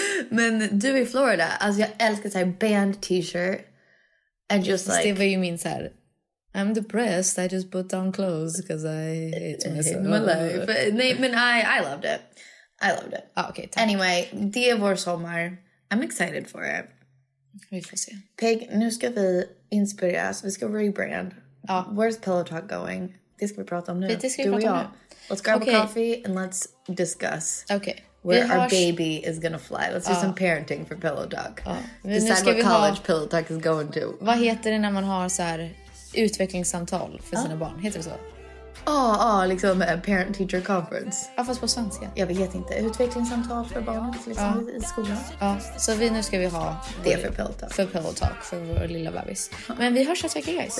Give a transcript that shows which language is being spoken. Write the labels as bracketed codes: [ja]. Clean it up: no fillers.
[sv] Men du i Florida, alltså jag älskar så här band t-shirt. [en] And just like... [sv] Steve, vad [en] you mean [sv] så här... [en] I'm depressed. I just put on clothes because I hate myself. My life. [sv] Nej, men [en] I loved it. I loved it. Ah, okay, [sv] tack. [en] Anyway, [sv] det är vår sommar. [en] I'm excited for it. [sv] Vi får se. Pig, nu ska vi inspireras. Vi ska rebrand. Ah. [en] Where's Pillow Talk going? [sv] Det ska vi prata om nu. Det ska vi prata om nu. [en] Let's grab a coffee and let's discuss. Okay. Where our baby is gonna fly. Let's do some parenting for Pillow Talk. Decide what college Pillow Talk is going to. [sv] Vad heter det när man har så här... utvecklingssamtal för sina barn, heter det så? Liksom [en] parent teacher conference. [sv] Ja, fast på svenska. Jag vet inte. Utvecklingssamtal för barnet liksom i skolan. Ja, så nu ska vi ha det för Pillow Talk. För Pillow Talk för vår lilla bebis. Men vi hörs nästa vecka, guys.